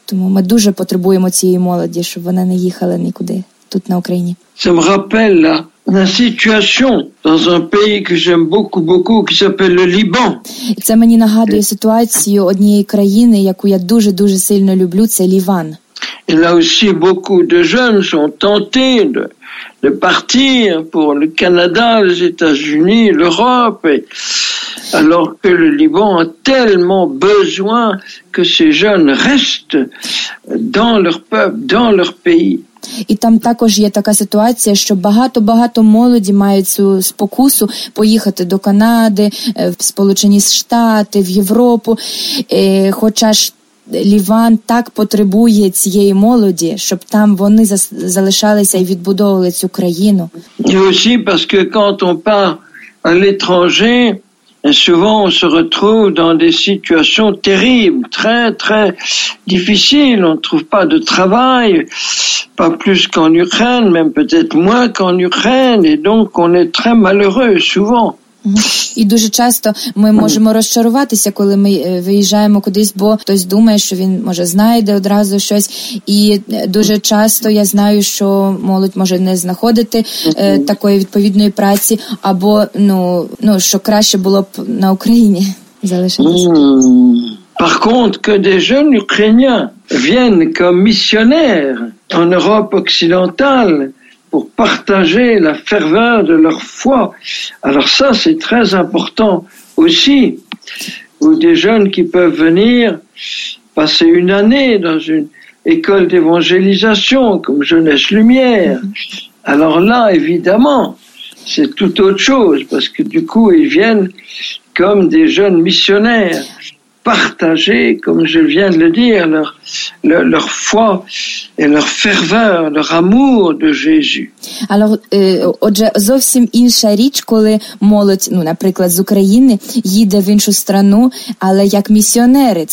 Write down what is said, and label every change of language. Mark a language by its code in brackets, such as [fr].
[uk] Тому ми дуже потребуємо цієї молоді, щоб вона не їхала нікуди тут на Україні. Це [fr] me rappelle la situation dans un pays que j'aime beaucoup beaucoup qui s'appelle le Liban. [uk] Це мені нагадує ситуацію однієї країни, яку я дуже-дуже сильно люблю, це Ліван. [fr] Et là aussi beaucoup de jeunes sont tentés de partir pour le Canada, les États-Unis, l'Europe, alors que le Liban a tellement besoin que ces jeunes restent dans leur peuple, dans leur pays. [uk] І там також є така ситуація, що багато-багато молоді мають цю спокусу поїхати до Канади, в Сполучені Штати, в Європу, хоча ж Ліван так потребує цієї молоді, щоб там вони залишалися і відбудовували цю країну. І [fr] aussi parce que quand on part à l'étranger, souvent on se retrouve dans des situations terribles, très très difficiles, on trouve pas de travail, pas plus qu'en Ukraine, même peut-être moins qu'en Ukraine et donc on est très malheureux souvent. [uk] І дуже часто ми можемо розчаруватися, коли ми виїжджаємо кудись, бо хтось думає, що він, може, знайде одразу щось. І дуже часто я знаю, що молодь може не знаходити такої відповідної праці, або, ну, що краще було б на Україні залишитися. [fr] Par contre, que des jeunes ukrainiens viennent comme missionnaires en Europe occidentale, pour partager la ferveur de leur foi. Alors ça, c'est très important aussi. Ou des jeunes qui peuvent venir passer une année dans une école d'évangélisation, comme Jeunesse Lumière. Alors là, évidemment, c'est tout autre chose, parce que du coup, ils viennent comme des jeunes missionnaires, partager, comme je viens de le dire, leur foi et leur ferveur, leur amour de Jésus. Alors, [uk] отже, зовсім інша річ, коли молодь, ну, наприклад, з України їде в іншу страну, але як місіонери.